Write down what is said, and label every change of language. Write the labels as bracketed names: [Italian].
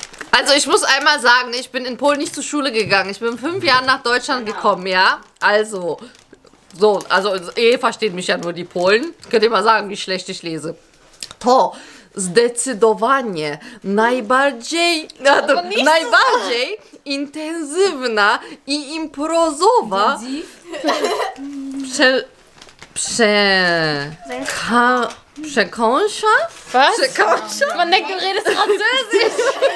[German] Also ich muss einmal sagen, ich bin in Polen nicht zur Schule gegangen. Ich bin 5 Jahre nach Deutschland gekommen, ja? Also... So, also eh versteht mich ja nur die Polen. Könnt ihr mal sagen, wie schlecht ich lese. [Polish] To zdecydowanie najbardziej, also najbardziej intensywna i imprezowa przekąsza? [German] Was? [Polish] Przekąsza? [German] Man denkt, du redest Französisch.